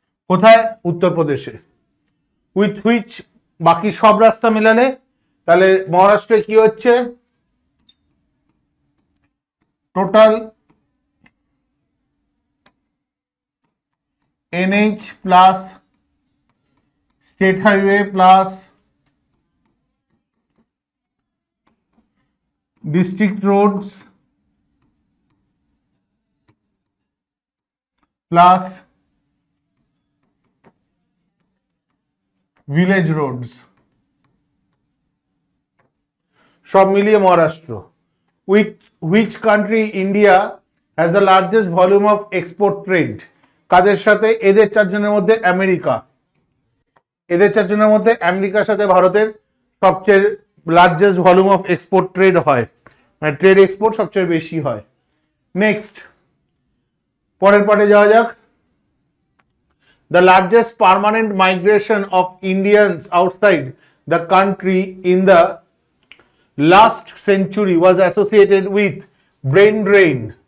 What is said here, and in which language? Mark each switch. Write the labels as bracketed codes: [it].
[bn] কোথায়, উত্তরপ্রদেশে, [en] with which [bn] বাকি সব রাস্তা মিলালে তাহলে মহারাষ্ট্রে কি হচ্ছে, [en] total NH plus state highway plus district roads plus village roads [hi] सब मिलिए [en] Maharashtra with which country India has the largest volume of export trade [bn] কাদের সাথে? এদের চারজনের মধ্যে আমেরিকা, এদের চারজনের মধ্যে আমেরিকার সাথে ভারতের সবচেয়ে [en] largest volume of export trade [bn] হয়, মানে ট্রেড এক্সপোর্ট সবচেয়ে বেশি হয়। নেক্সট পরের পাটে যাওয়া যাক। [en] The largest permanent migration of Indians outside the country in the last century was associated with brain drain.